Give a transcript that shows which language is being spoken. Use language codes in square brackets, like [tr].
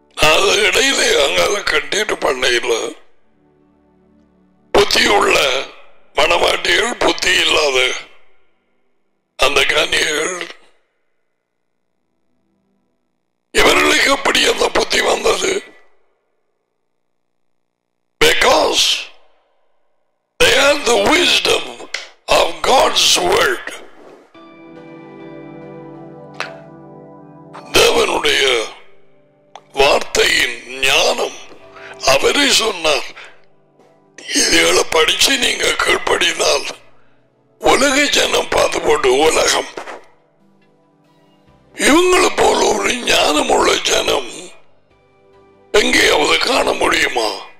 [ta] அது இடையிலே அங்கதான் கண்டிப்பா பண்ண இல்லை. புத்தி உள்ள மனமாட்டிகள், புத்தி இல்லாத அந்த கன்னியர் இவர்களுக்கு எப்படி அந்த புத்தி வந்தது? [en] Because they had the wisdom of God's word. [ta] தேவனுடைய வார்த்தையின் ஞானம் அவரே சொன்னார், இதை படிச்சு நீங்க கீழ்படினால் உலக ஜனம் பார்த்து போட்டு உலகம் இவங்களை போல ஒரு ஞானமுள்ள ஜனம் எங்கேயாவது காண முடியுமா?